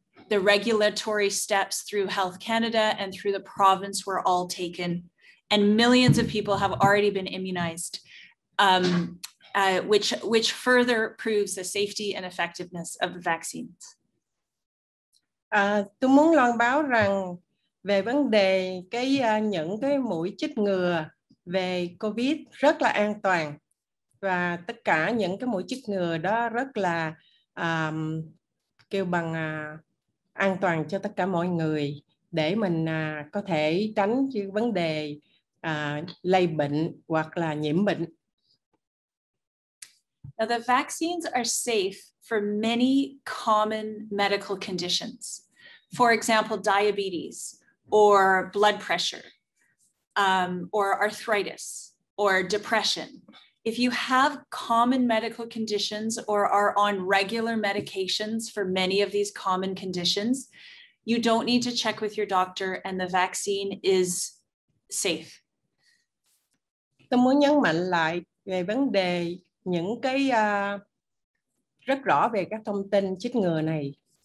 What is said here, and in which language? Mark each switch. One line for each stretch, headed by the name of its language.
English: The regulatory steps through Health Canada and through the province were all taken, and millions of people have already been immunized, which further proves the safety and effectiveness of the vaccines.
Vietnamese: Tôi muốn loan báo rằng về vấn đề cái những cái mũi chích ngừa về COVID rất là an toàn, và tất cả những cái mũi chích ngừa đó rất là kêu bằng an toàn cho tất cả mọi người để mình có thể tránh những vấn đề lây bệnh hoặc là nhiễm bệnh.
English: Now the vaccines are safe for many common medical conditions. For example, diabetes or blood pressure or arthritis or depression. If you have common medical conditions or are on regular medications for many of these common conditions, you don't need to check with your doctor and the vaccine is safe.
Vietnamese: Tôi muốn nhấn mạnh lại về vấn đề những cái rất rõ về các thông tin chích ngừa này.